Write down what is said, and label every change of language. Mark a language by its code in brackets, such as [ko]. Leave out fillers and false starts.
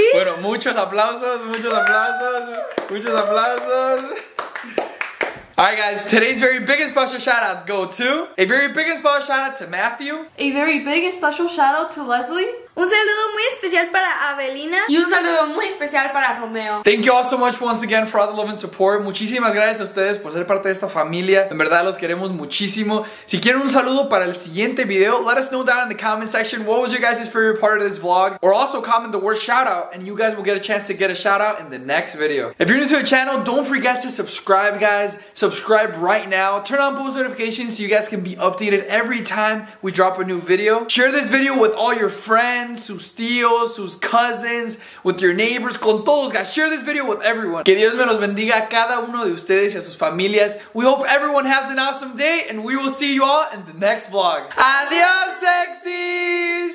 [es] Bueno, muchos aplausos, muchos aplausos, muchos aplausos. [en] All right, guys, today's very big and special shout-outs go to a very big and special shout-out to Matthew. A very big and special shout-out to Leslie. [es] Un saludo muy especial para Avelina. Y un saludo muy especial para Romeo. [en] Thank you all so much once again for all the love and support. [es] Muchísimas gracias a ustedes por ser parte de esta familia. En verdad, los queremos muchísimo. Si quieren un saludo para el siguiente video, [en] let us know down in the comment section what was your guys' favorite part of this vlog. Or also comment the word shout-out and you guys will get a chance to get a shout-out in the next video. If you're new to the channel, don't forget to subscribe, guys. Subscribe right now. Turn on post notifications so you guys can be updated every time we drop a new video. Share this video with all your friends, [es] sus tíos, sus [en] cousins, with your neighbors, [es] con todos, [en] guys. Share this video with everyone. [es] Que Dios me los bendiga a cada uno de ustedes y a sus familias. [en] We hope everyone has an awesome day and we will see you all in the next vlog. Adios, sexy!